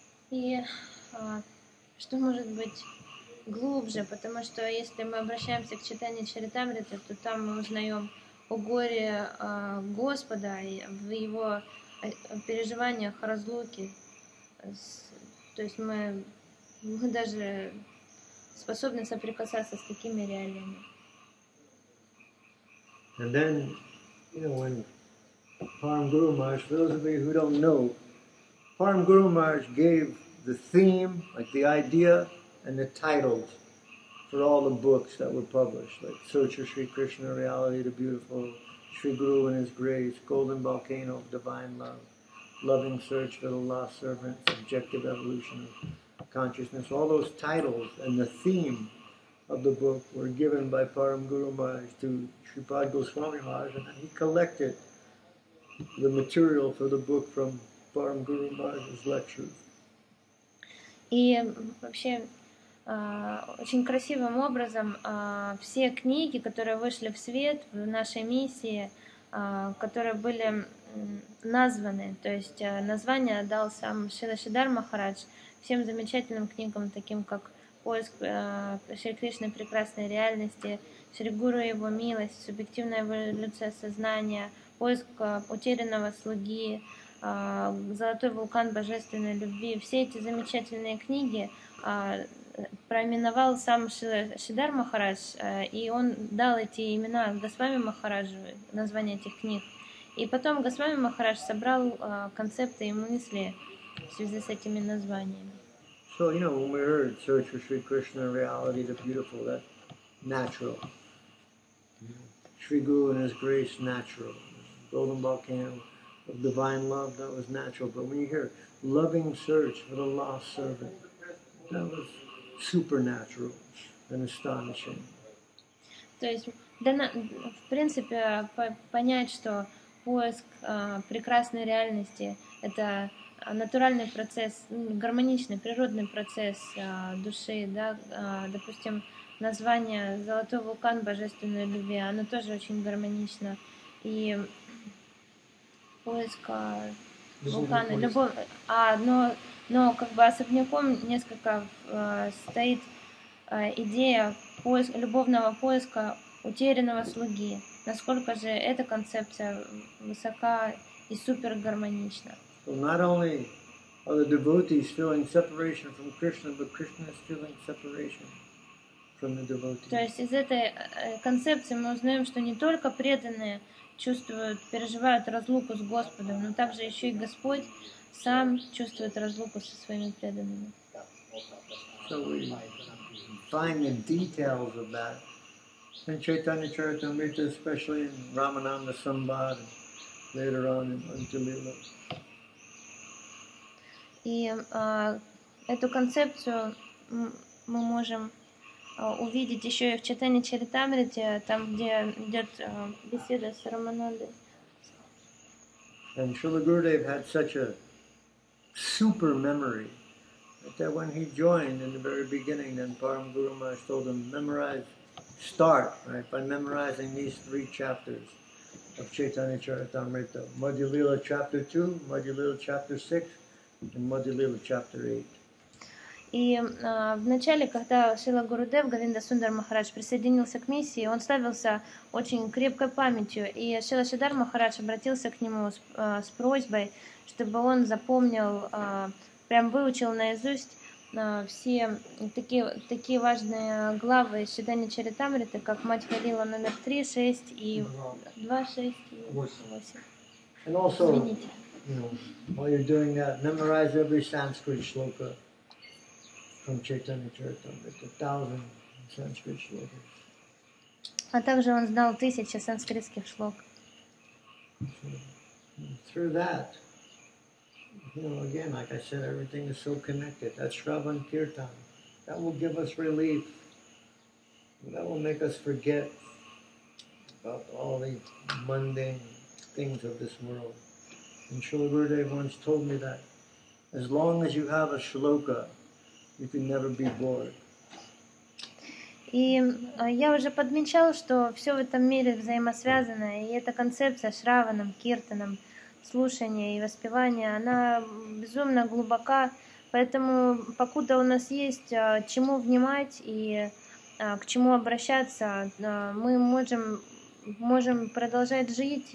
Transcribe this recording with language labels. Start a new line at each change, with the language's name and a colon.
Russian: И что может быть глубже, потому что если мы обращаемся к Чайтанье Чаритамрите, то там мы узнаем о горе Господа и в его переживаниях разлуки. То есть мы даже способны соприкасаться с такими реалиями.
English: And then, you know, when Param Guru Maharaj, for those of you who don't know, Param Guru Maharaj gave the theme, like the idea and the titles for all the books that were published, like Search for Sri Krishna, Reality the Beautiful, Sri Guru and His Grace, Golden Volcano of Divine Love, Loving Search for the Lost Servant, Objective Evolution of Consciousness. All those titles and the theme of the book were given by Param Guru Maharaj to Sripad Goswami Maharaj, and he collected the material for the book from Param Guru Maharaj's lectures.
Russian: И вообще очень красивым образом все книги, которые вышли в свет в нашей миссии, которые были названы, то есть название дал сам Шрила Шридхар Махарадж всем замечательным книгам, таким как «Поиск Шри Кришны прекрасной реальности», «Шри Гуру и его милость», «Субъективная эволюция сознания», «Поиск утерянного слуги», «Золотой вулкан божественной любви». Все эти замечательные книги проименовал сам Шридхар Махарадж, и он дал эти имена Госвами Махараджу, название этих книг. И потом Госвами Махарадж собрал концепты и мысли в связи с этими названиями.
English: So, you know, when we heard Search for Sri Krishna, Reality, the Beautiful, that natural. Sri Guru and His Grace, natural. Golden Volcano of Divine Love, that was natural. But when you hear Loving Search for the Lost Servant, that was supernatural and astonishing.
Russian: То есть, в принципе, понять, что поиск прекрасной реальности — это натуральный процесс, гармоничный, природный процесс души, да, допустим, название «Золотой вулкан божественной любви», оно тоже очень гармонично. И поиск вулкана, любовь, но как бы особняком несколько стоит идея поиска, любовного поиска утерянного слуги. Насколько же эта концепция высока и супер гармонична.
English: So not only are the devotees feeling separation from Krishna, but Krishna is feeling separation from the devotees.
Russian: То есть из этой концепции мы узнаем, что не только преданные чувствуют, переживают разлуку с Господом, но также еще и Господь сам чувствует разлуку со своими преданными.
English: So we find the details of that in Chaitanya Charitamrita, especially in Ramananda Sambhad, and later on in Antalila.
Russian: И эту концепцию мы можем увидеть еще и в Чайтанье Чаритамрите, там, где идет беседа с Раманандой.
English: And Srila Gurudev had such a super memory that when he joined in the very beginning, then Param Guru Maharaj told him, memorize, start, right, by memorizing these three chapters of Chaitanya Charitamrita. Madhyalila chapter 2, Madhyalila chapter 6, in Madhyalila chapter 8.
Russian: И вначале, когда Шрила Гурудев, Говинда Сундар Махарадж, присоединился к миссии, он славился очень крепкой памятью. И Шрила Шридхар Махарадж обратился к нему с просьбой, чтобы он запомнил, прям выучил наизусть все такие важные главы Шридхани Чаритамриты, как Мать Халила номер 3, 6 и 2, 6 и 8. Извините.
English: While you're doing that, memorize every Sanskrit shloka from Chaitanya Charitamrita, 1,000 Sanskrit shlokas.
Russian: А также он знал 1,000 санскритских шлок.
English: Through that, you know, again, like I said, everything is so connected. That Shravan Kirtan, that will give us relief. That will make us forget about all the mundane things of this world. And Srila Gurudev once told me that as long as you have a shloka, you can never be bored.
Russian: И я уже подмечал, что все в этом мире взаимосвязано, и эта концепция шраванам, киртанам, слушания и воспевания, она безумно глубока. Поэтому, покуда у нас есть чему внимать и к чему обращаться, мы можем продолжать жить.